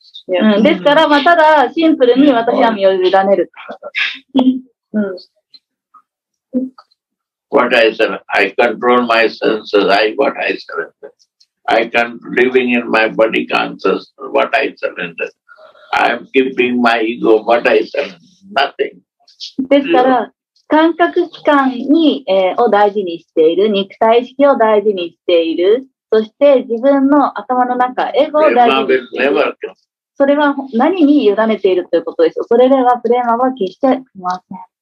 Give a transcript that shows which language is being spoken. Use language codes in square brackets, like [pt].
[ja] うん、ですから、まあ、ただシンプルに私は身を委ねる。うん。 [en] What I said, I control my senses, I what I surrender. I can living in my body conscious, what I surrender. I am keeping my ego, what I surrender. Nothing. [ja] ですから、感覚器官に、を大事にしている、肉体意識を大事にしている、そして自分の頭の中、エゴを大事にしている。それは何に委ねているということです。それではプレーマーは決して来ません。